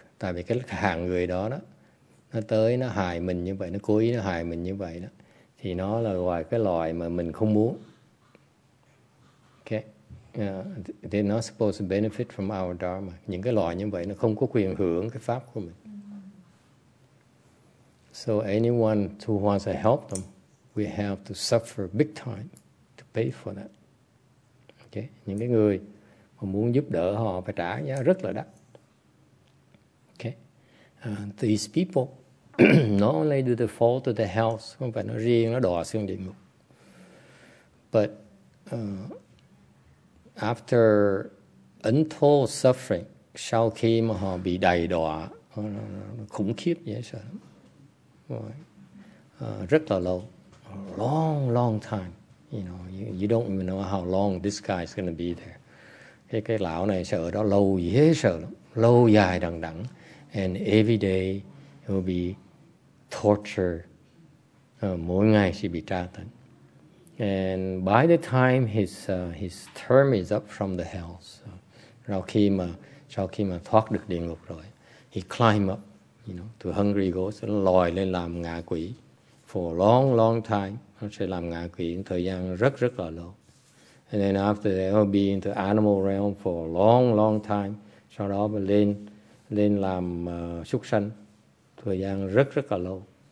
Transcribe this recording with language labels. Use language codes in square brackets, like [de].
[vi] Tại vì cái hàng người đó đó, nó tới nó hại mình như vậy, nó cố ý nó hại mình như vậy đó, thì nó là ngoài cái loại mà mình không muốn. [en] Okay, they're not supposed to benefit from our dharma. [vi] Những cái loại như vậy nó không có quyền hưởng cái pháp của mình. [en] So anyone who wants to help them, we have to suffer big time to pay for that. [vi] Okay, những cái người mà muốn giúp đỡ họ phải trả giá rất là đắt. [en] these people, not only do they fall to the hells, [vi] không phải nó riêng nó đọa xuống địa ngục, [en] but after untold suffering, [vi] sau khi mà họ bị đày đọa, khủng khiếp dễ sợ lắm. Rất là lâu, [en] long, long time. You know, you don't even know how long this guy is going to be there. [vi] Cái lão này sẽ ở đó lâu dễ sợ lắm, lâu dài đằng đẵng. [en] And every day he will be tortured. [vi] Mỗi ngày sẽ bị tra tấn. [en] And by the time his term is up from the hell, so, [vi] sau khi mà thoát được địa ngục rồi, [en] he climb up, you know, to hungry ghost, [vi] lòi lên làm ngạ quỷ [en] for a long, long time. [vi] Nó sẽ làm ngạ quỷ thời gian rất rất là lâu. [en] And then after that, he'll be in the animal realm for a long, long time. [vi] Sau đó mới lên làm súc sanh thời gian rất rất là lâu.